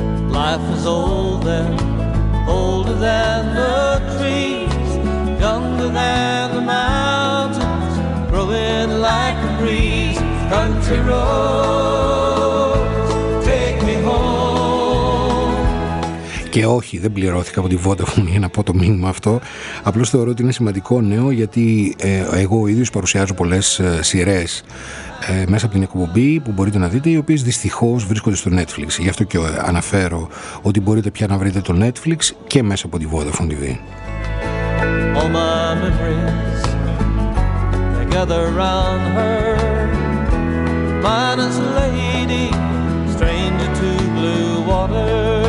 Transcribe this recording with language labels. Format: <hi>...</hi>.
<en>Life is older, older than the trees, younger than the mountains, growing like a breeze. Country roads, take me home.</en> <el>Και όχι, δεν πληρώθηκα από τη Vodafone για να πω το μήνυμα αυτό. Απλώς θεωρώ ότι είναι σημαντικό νέο, γιατί εγώ ο ίδιος παρουσιάζω πολλές σειρές μέσα από την εκπομπή που μπορείτε να δείτε, οι οποίες δυστυχώς βρίσκονται στο Netflix. Γι' αυτό και αναφέρω ότι μπορείτε πια να βρείτε το Netflix και μέσα από τη Vodafone TV.</el> <en>All my memories, they gather around her. Mine is a lady, stranger to blue water.</en>